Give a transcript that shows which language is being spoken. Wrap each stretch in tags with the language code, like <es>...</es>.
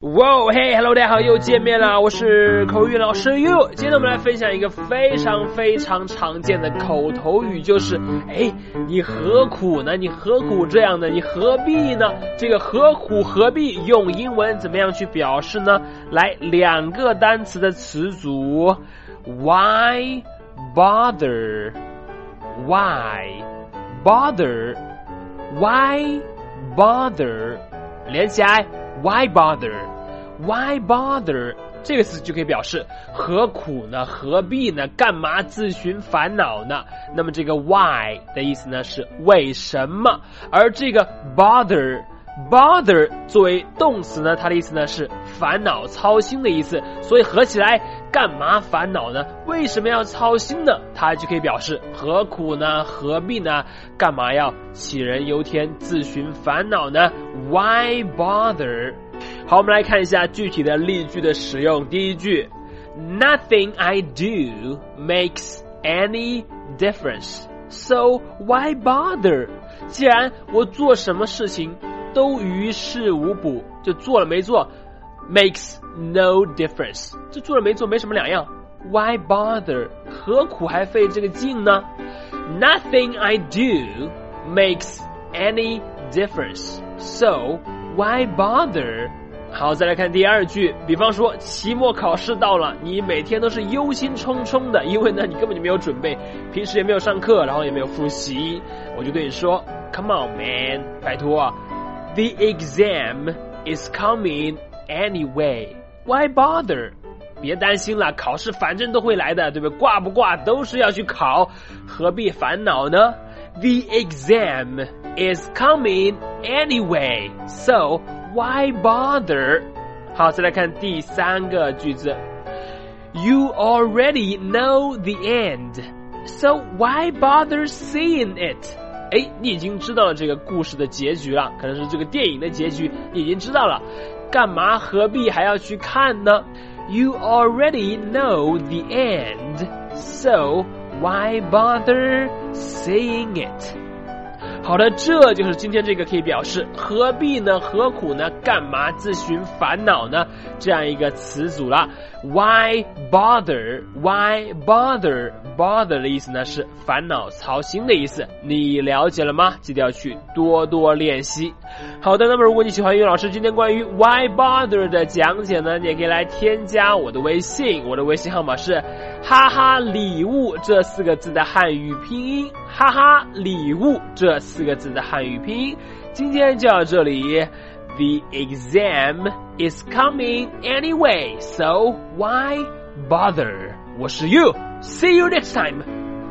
<zh>哇哦，嘿，</zh> <en>hello，</en> <zh>大家好，又见面了，我是口语老师悠悠。今天我们来分享一个非常非常常见的口头语，就是，哎，你何苦呢？你何苦这样呢？你何必呢？这个何苦何必用英文怎么样去表示呢？来，两个单词的词组</zh> <en>，why bother，why bother，why bother，</en> <zh>连起来</zh> <en>，why bother。 Why bother?</en> <zh>这个词就可以表示何苦呢？何必呢？干嘛自寻烦恼呢？那么这个 why 的意思呢是为什么？而这个 bother 作为动词呢，它的意思呢是烦恼、操心的意思。所以合起来，干嘛烦恼呢？为什么要操心呢？它就可以表示何苦呢？何必呢？干嘛要杞人忧天、自寻烦恼呢 ？</zh> <en>Why bother?</en> <zh>好，我们来看一下具体的例句的使用。第一句</zh> <en>，Nothing I do makes any difference, so why bother?</en> <zh>既然我做什么事情都于事无补，就做了没做 ，</zh> <en>makes no difference,</en> <zh>就做了没做没什么两样。</zh> <en>Why bother?</en> <zh>何苦还费这个劲呢</zh> <en>？Nothing I do makes any difference, so why bother?</en> <zh>好，再来看第二句。比方说期末考试到了，你每天都是忧心忡忡的，因为呢你根本就没有准备，平时也没有上课，然后也没有复习。我就对你说</zh> <en>Come on man,</en> <zh>拜托</zh> <en>The exam is coming anyway, why bother?</en> <zh>别担心了，考试反正都会来的，对不对？挂不挂都是要去考，何必烦恼呢？</zh> <en>The exam is coming anyway, soWhy bother?</en> <zh>好，再来看第三个句子。</zh> <en>You already know the end, so why bother seeing it?</en> <zh>哎，你已经知道了这个故事的结局了，可能是这个电影的结局，你已经知道了，干嘛何必还要去看呢？</zh> <en>You already know the end, so why bother seeing it?</en> <zh>好的，这就是今天这个可以表示何必呢、何苦呢、干嘛自寻烦恼呢这样一个词组了。</zh> <en>Why bother? Why bother?</en> <zh>Bother 的意思呢是烦恼、操心的意思，你了解了吗？记得要去多多练习。好的，那么如果你喜欢英语老师今天关于 Why bother 的讲解呢，你也可以来添加我的微信，我的微信号码是哈哈礼物这四个字的汉语拼音，哈哈礼物这四个字的汉语拼音。今天就到这里。</zh> <en>The exam is coming anyway, so why bother?</en> <zh>我是</zh> <en>You, see you next time.</en>